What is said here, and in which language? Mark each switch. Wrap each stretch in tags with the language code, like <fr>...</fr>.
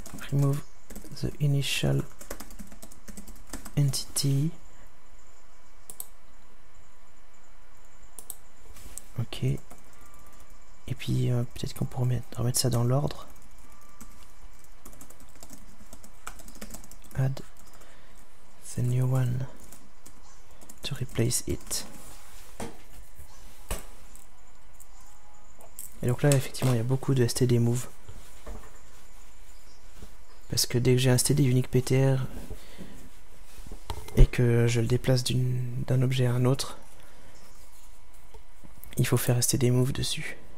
<en>Remove the initial entity. Ok.</en> <fr>Et puis peut-être qu'on pourrait remettre ça dans l'ordre.</fr> <en>Add the new one to replace it.</en> <fr>Et donc là, effectivement, il y a beaucoup de std move. Parce que dès que j'ai un std unique.ptr et que je le déplace d'un objet à un autre, il faut faire std move dessus.</fr>